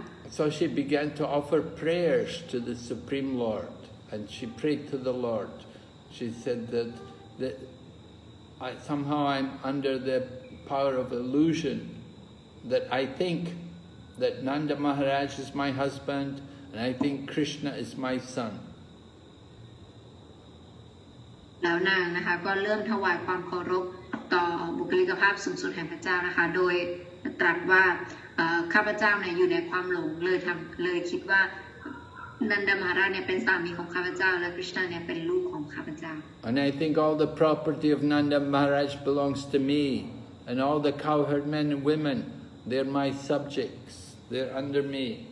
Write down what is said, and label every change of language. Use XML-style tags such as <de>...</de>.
<en>So she began to offer prayers to the Supreme Lord, and she prayed to the Lord. She said that somehow I'm under the power of illusion, that I think that Nanda Maharaj is my husband, and I think Krishna is my son.</en> <th>แล้วนางนะคะก็เริ่มถวายความเคารพต่อบุคล กภาพสูงสุดแห่งพระเจ้านะคะโดยตรัสว่าข้าพเจ้าเนี่ยอยู่ในความหลงเลยทําเลยคิดว่านันดามาราเนี่ยเป็นสามีของข้าพเจ้าและคริสตาเนี่ยเป็นลูกของข้าพเจ้า</th> <en>And I think all the property of Nanda Maharaj belongs to me and all the cowherd men and women they're my subjects they're under me</en>